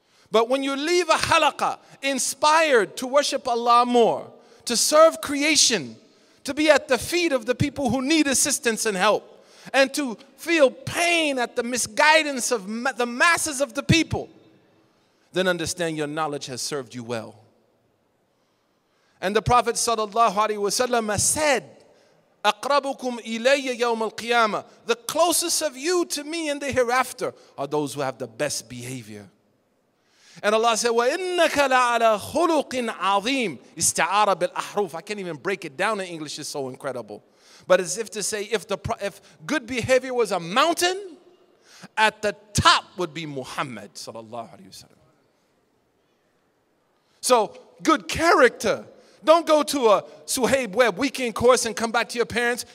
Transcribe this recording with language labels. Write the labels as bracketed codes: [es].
[en] But when you leave a halaqah inspired to worship Allah more, to serve creation, to be at the feet of the people who need assistance and help, and to feel pain at the misguidance of the masses of the people, then understand your knowledge has served you well. And the Prophet sallallahu alaihi wasallam said, [ar] أَقْرَبُكُمْ إِلَيَّ يَوْمَ الْقِيَامَةِ. [en] The closest of you to me in the hereafter are those who have the best behavior. And Allah said, [ar] وَإِنَّكَ لَعَلَى خُلُقٍ عَظِيمٍ. إِسْتَعَارَ بِالْأَحْرُوفِ. [en] I can't even break it down in English, it's so incredible. But as if to say, if good behavior was a mountain, at the top would be Muhammad sallallahu alayhi wa sallam. So, good character. Don't go to a Suhaib Web weekend course and come back to your parents.